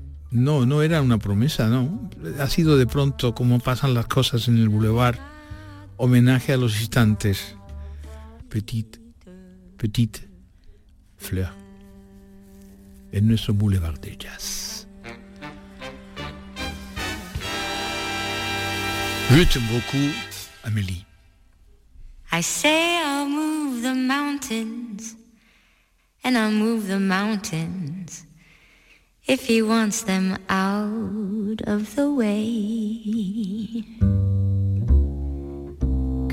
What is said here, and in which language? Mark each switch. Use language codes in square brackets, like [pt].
[es] No, no era una promesa, no. Ha sido de pronto como pasan las cosas en el bulevar. Homenaje a los instantes. Petite, petite fleur. En nuestro bulevar de jazz. [fr] Je t'aime beaucoup, Amélie. [en] I say I'll move the mountains, and I'll move the mountains if he wants them out of the way.